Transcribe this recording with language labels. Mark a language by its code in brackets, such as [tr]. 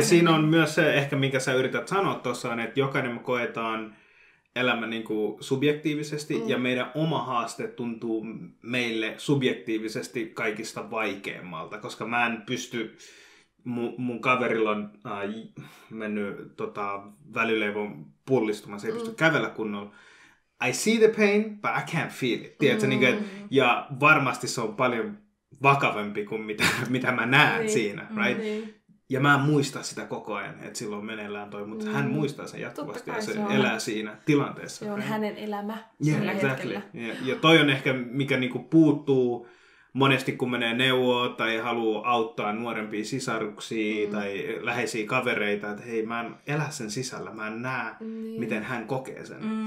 [fi] Ja siinä on myös se, ehkä minkä sä yrität sanoa tuossa, että jokainen me koetaan elämä niinku subjektiivisesti, ja meidän oma haaste tuntuu meille subjektiivisesti kaikista vaikeammalta, koska mä en pysty... Mun kaverilla on mennyt välyleivon pullistumaan, se ei pysty kävellä kunnolla. [en] I see the pain, but I can't feel it. [fi] Tiedätkö, niin kuin, ja varmasti se on paljon vakavempi kuin mitä mä näen siinä. [en] Right? [fi] Ja mä en muista sitä koko ajan, että silloin meneillään toi, mutta hän muistaa sen jatkuvasti ja se elää siinä tilanteessa. Se on hänen elämä. [en] Yeah, exactly. [fi] Ja toi on ehkä, mikä niinku puuttuu... Monesti kun menee neuvoa tai haluaa auttaa nuorempia sisaruksia tai läheisiä kavereita, että hei, mä en elä sen sisällä, mä en näe, miten hän kokee sen.